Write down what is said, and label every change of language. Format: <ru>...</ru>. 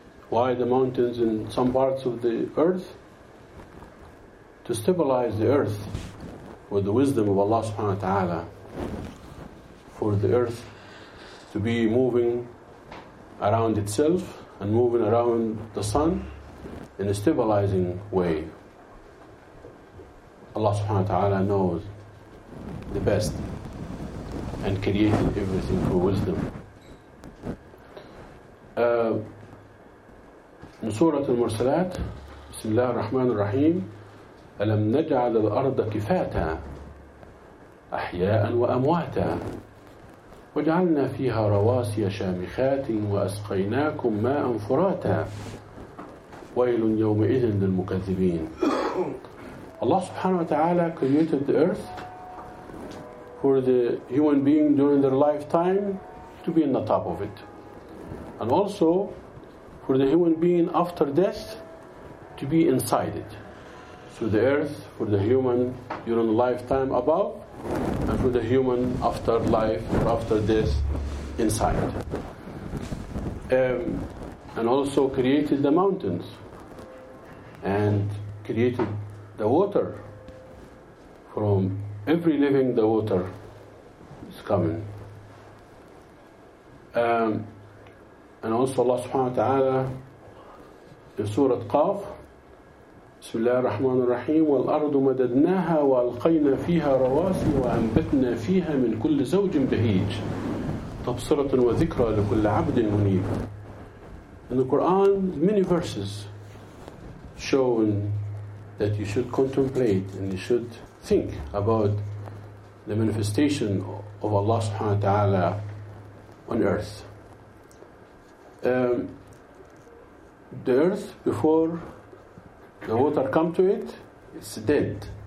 <en>Why the mountains in some parts of the earth? To stabilize the earth with the wisdom of Allah subhanahu wa ta'ala, for the earth to be moving around itself and moving around the sun in a stabilizing way. Allah subhanahu wa ta'ala knows the best and created everything through wisdom. In Surah Al-Mursalat, Bismillah ar-Rahman ar-Rahim,</en> <ar>أَلَمْ نَجْعَلَ الْأَرْضَ كِفَاتًا أَحْيَاءً وَأَمْوَاتًا وَجَعَلْنَا فِيهَا رَوَاسِيَ شَامِخَاتٍ وَأَسْقَيْنَاكُمْ مَاءً فُرَاتًا وَيْلٌ يَوْمِئِذٍ لِلْمُكَذِّبِينَ.</ar> <en>Allah subhanahu wa ta'ala created the earth for the human being during their lifetime to be on the top of it, and also for the human being after death to be inside it. To the earth, for the human during lifetime above, and for the human after life, after death, inside. And also created the mountains, and created the water. From every living, the water is coming. And also Allah subhanahu wa ta'ala, in Surah Qaf,</en> <ar>بسم الله الرحمن الرحيم والأرض مددناها وألقينا فيها رواسي وأنبتنا فيها من كل زوج بهيج تبصرة وذكرى لكل عبد منيب.</ar> <en>In the Quran, many verses showing that you should contemplate and you should think about the manifestation of Allah subhanahu wa ta'ala on earth. The earth before the water come to it, it's dead.</en>